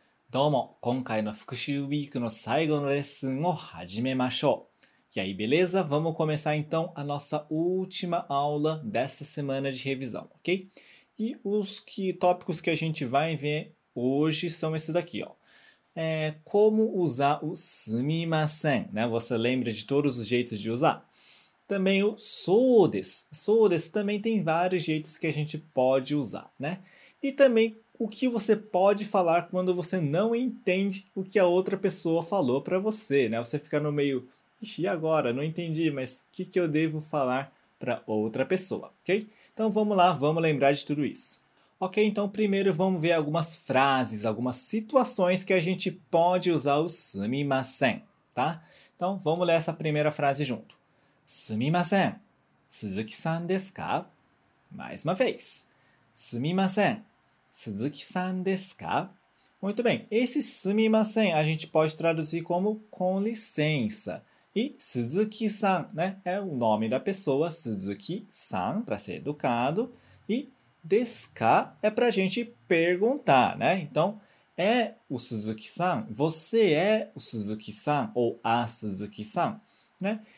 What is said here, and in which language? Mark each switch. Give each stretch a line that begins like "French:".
Japanese: どうも、今回の復習ウィークの最後のレッスンを始めましょう。
Portuguese: E aí, beleza? Vamos começar então a nossa última aula dessa semana de revisão, ok? E os que tópicos que a gente vai ver hoje são esses aqui, ó. Como usar o sumimasen, né? Você lembra de todos os jeitos de usar? Também o sodes. Sodes também tem vários jeitos que a gente pode usar, né? E também o que você pode falar quando você não entende o que a outra pessoa falou para você, né? Você fica no meio, ixi, e agora? Não entendi, mas o que que eu devo falar para outra pessoa, ok? Então vamos lá, vamos lembrar de tudo isso. Ok, então primeiro vamos ver algumas frases, algumas situações que a gente pode usar o すみません, tá? Então vamos ler essa primeira frase junto.
Japanese: すみません, 鈴木さんですか?
Portuguese: Mais uma vez.
Japanese: すみません, 鈴木さんですか?
Portuguese: Muito bem, esse すみません a gente pode traduzir como com licença. E Suzuki-san, né, é o nome da pessoa, Suzuki-san, para ser educado. E desu-ka é para a gente perguntar, né? Então, é o Suzuki-san? Você é o Suzuki-san ou a Suzuki-san, né?